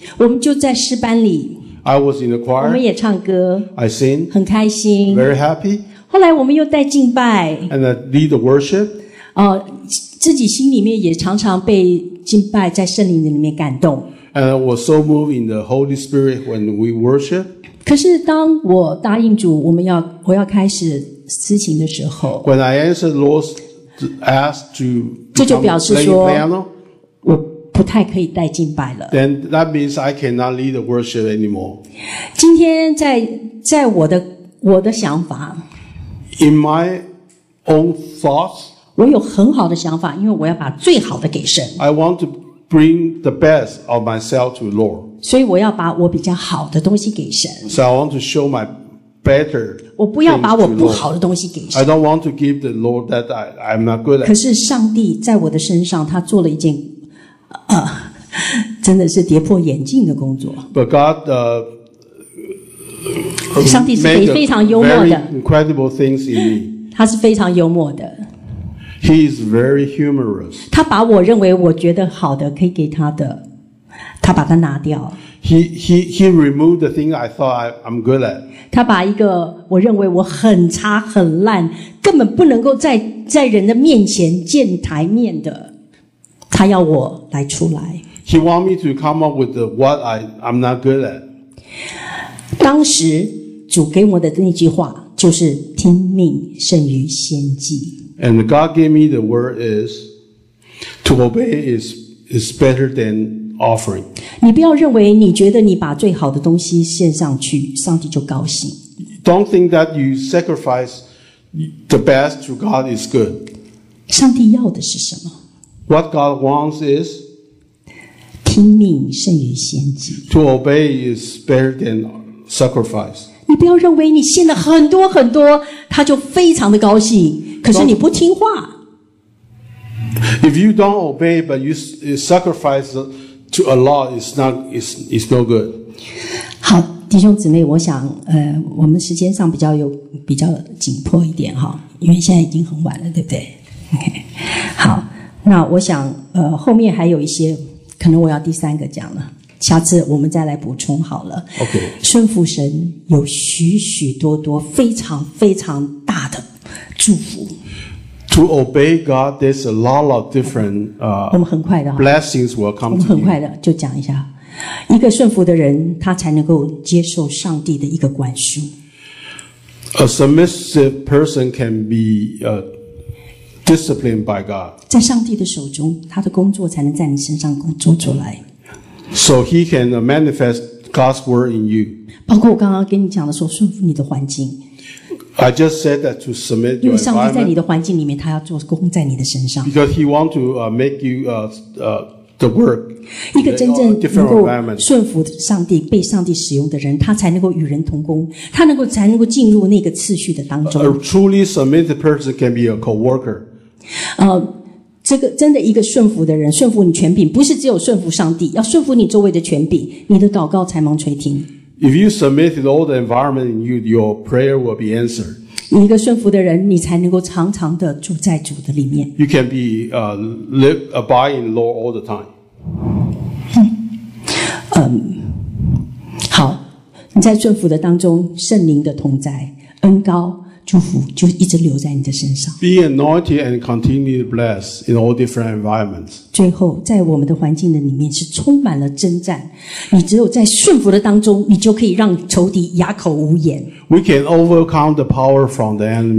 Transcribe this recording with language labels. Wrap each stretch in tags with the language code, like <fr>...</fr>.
<zh>我们就在诗班里。</zh> <en>I was in the choir.</en> <zh>我们也唱歌。</zh> <en>I sing.</en> <zh>很开心。</zh> <en>Very happy.</en> <zh>后来我们又带敬拜。</zh> <en>And I lead the worship.</en> <zh>自己心里面也常常被敬拜在圣灵里面感动。</zh> <en>And I was so moved in the Holy Spirit when we worship.</en> <zh>可是当我答应主，我要开始私情的时候</zh> <en>，When I answered Lord's ask to become playing piano.</en> <zh>不太可以带敬拜了。</zh> <en>Then that means I cannot lead the worship anymore.</en> <zh>今天在我的想法。</zh> <en>In my own thoughts.</en> <zh>我有很好的想法，因为我要把最好的给神。</zh> <en>I want to bring the best of myself to Lord.</en> <zh>所以我要把我比较好的东西给神。</zh> <en>So I want to show my better.</en> <zh>我不要把我不好的东西给神。</zh> <en>I don't want to give the Lord that I'm not good at.</en> <zh>可是上帝在我的身上，他做了一件。真的是跌破眼镜的工作。</zh> <en>But God,</en> <zh>上帝是非常幽默的。</zh> <en>Incredible things in me.</en> <zh>他是非常幽默的。</zh> <en>He is very humorous.</en> <zh>他把我认为我觉得好的可以给他的，他把它拿掉。</zh> <en>He removed the thing I thought I'm good at.</en> <zh>他把一个我认为我很差很烂，根本不能够在人的面前见台面的。他要我来出来。</zh> <en>He want me to come up with what I'm not good at.</en> <zh>当时主给我的那句话就是听命胜于献祭。</zh> <en>And God gave me the word is to obey is better than offering.</en> <zh>你不要认为你觉得你把最好的东西献上去，上帝就高兴。</zh> <en>Don't think that you sacrifice the best to God is good.</en> <zh>上帝要的是什么？</zh> <en>What God wants is</en> <zh>听命胜于献祭。</zh> <en>To obey is better than sacrifice.</en> <zh>你不要认为你献了很多很多，他就非常的高兴。可是你不听话。</zh> <en>If you don't obey, but you sacrifice to a lot, it's no good.</en> <zh>好，弟兄姊妹，我想，我们时间上比较紧迫一点哈，因为现在已经很晚了，对不对 ？OK， 好。那我想，后面还有一些，可能我要第三个讲了，下次我们再来补充好了。 OK，顺服神有许许多多非常非常大的祝福。</zh> <en>To obey God, there's a lot of different blessings will come to you.</en> <zh>我们很快的就讲一下。一个顺服的人，他才能够接受上帝的一个管束。</zh> <en>A submissive person can be disciplined by God.</en> <zh>在上帝的手中，他的工作才能在你身上做出来。</zh> <en>So he can manifest God's word in you.</en> <zh>包括我刚刚跟你讲的说，顺服你的环境。</zh> <en>I just said that to submit your</en> <zh>environment. 因为上帝在你的环境里面，他要做工在你的身上。</zh> <en>Because he want to make you the work.</en> <zh>一个真正能够顺服上帝、被上帝使用的人，他才能够与人同工，他能够才能够进入那个次序的当中。</zh> <en>A truly submitted person can be a co-worker.</en> <zh>这个真的一个顺服的人，顺服你权柄，不是只有顺服上帝，要顺服你周围的权柄，你的祷告才蒙垂听。</zh> <en>If you submit to all the environment in you, your prayer will be answered.</en> <zh>你一个顺服的人，你才能够常常的住在主的里面。</zh> <en>You can be abide in the Lord all the time.</en> <zh>好，你在顺服的当中，圣灵的同在、恩膏、祝福就一直留在你的身上。</zh> <en>Be anointed and continue to bless in all different environments.</en> <zh>最后，在我们的环境的里面是充满了征战。你只有在顺服的当中，你就可以让仇敌哑口无言。</zh> <en>We can overcome the power from the enemy.</en>